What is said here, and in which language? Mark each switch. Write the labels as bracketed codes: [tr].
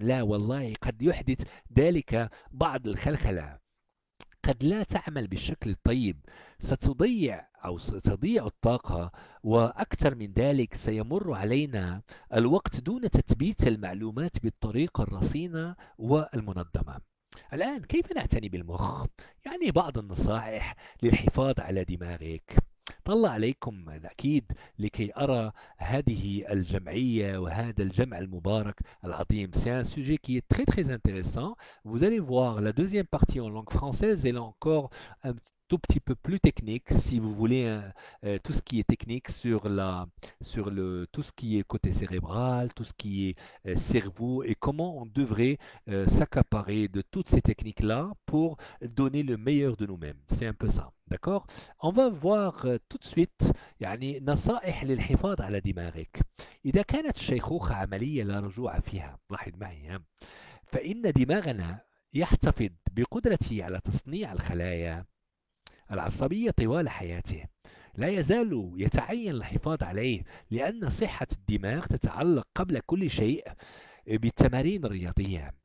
[ar] لا والله، قد يحدث ذلك بعض الخلخلة، قد لا تعمل بالشكل الطيب، ستضيع أو ستضيع الطاقة، وأكثر من ذلك سيمر علينا الوقت دون تثبيت المعلومات بالطريقة الرصينة والمنظمة. الآن كيف نعتني بالمخ؟ يعني بعض النصائح للحفاظ على دماغك. طلع عليكم أكيد لكي أرى هذه الجمعية وهذا الجمع المبارك العظيم. [fr] C'est un sujet qui est très très intéressant. Vous allez voir la deuxième partie en langue française, elle est encore un tout petit peu plus technique, si vous voulez tout ce qui est technique sur la sur le tout ce qui est côté cérébral, tout ce qui est cerveau et comment on devrait s'accaparer de toutes ces techniques-là pour donner le meilleur de nous-mêmes. C'est un peu ça. D'accord? On va voir tout de suite [ar] يعني نصائح للحفاظ على دماغك. إذا كانت الشيخوخة عملية لا رجوع فيها، لاحظ معي، فإن دماغنا يحتفظ بقدرته على تصنيع الخلايا العصبية طوال حياته، لا يزال يتعين الحفاظ عليه، لأن صحة الدماغ تتعلق قبل كل شيء بالتمارين الرياضية.